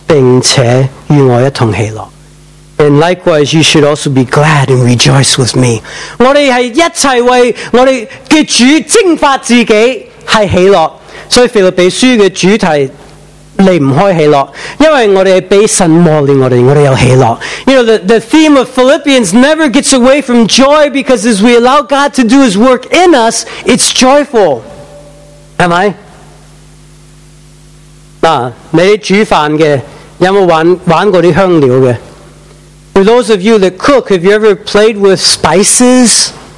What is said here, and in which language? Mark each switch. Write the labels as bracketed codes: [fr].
[zh] 18节,他又说,你们也要照样喜乐,并且与我一同喜乐。 [en] And likewise, you should also be glad and rejoice with me. [zh] 我们是一起为我们的主蒸发自己,是喜乐。所以腓立比书的主题, 离不开喜乐,因为我们被神磨练我们,我们有喜乐。 [en] You know, the theme of Philippians never gets away from joy because as we allow God to do His work in us, it's joyful. Am I? [zh] 你煮饭的,有没有玩过香料的? [en] For those of you that cook, have you ever played with spices?